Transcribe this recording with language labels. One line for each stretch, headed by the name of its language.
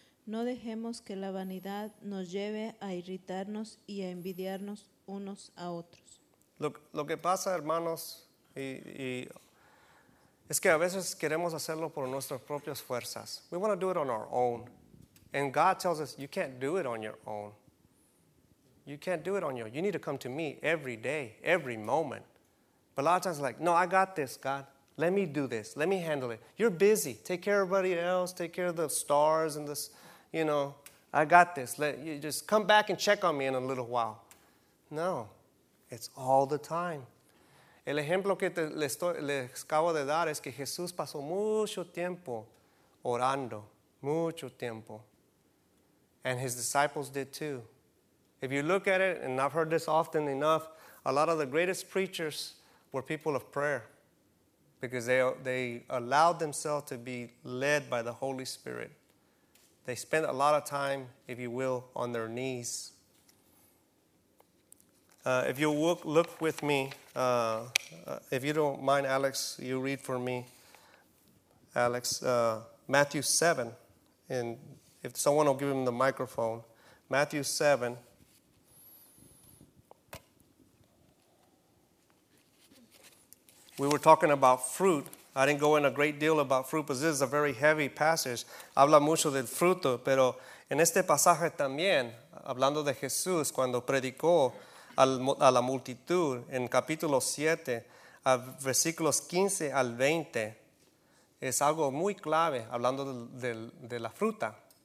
Spanish: No dejemos que la vanidad nos lleve a irritarnos y a envidiarnos unos a otros. Lo que pasa, hermanos, y es que a veces queremos hacerlo por nuestras propias fuerzas.
English: We want to do it on our own. And God tells us, you can't do it on your own. You can't do it on your own. You need to come to me every day, every moment. But a lot of times like, no, I got this, God. Let me do this. Let me handle it. You're busy. Take care of everybody else. Take care of the stars and this, you know. I got this. Let you just come back and check on me in a little while. No. It's all the time.
Spanish: El ejemplo que les acabo de dar es que Jesús pasó mucho tiempo orando, mucho tiempo.
English: And his disciples did too. If you look at it, and I've heard this often enough, a lot of the greatest preachers were people of prayer because they allowed themselves to be led by the Holy Spirit. They spent a lot of time, if you will, on their knees. If you look with me, if you don't mind, Alex, you read for me, Alex, Matthew 7. And if someone will give him the microphone, Matthew 7. We were talking about fruit. I didn't go in a great deal about fruit, but this is a very heavy passage.
Spanish: Habla mucho del fruto, pero en este pasaje también, hablando de Jesús, cuando predicó, a la multitud en capítulo 7 a versículos 15 al 20 es algo muy clave hablando de la fruta.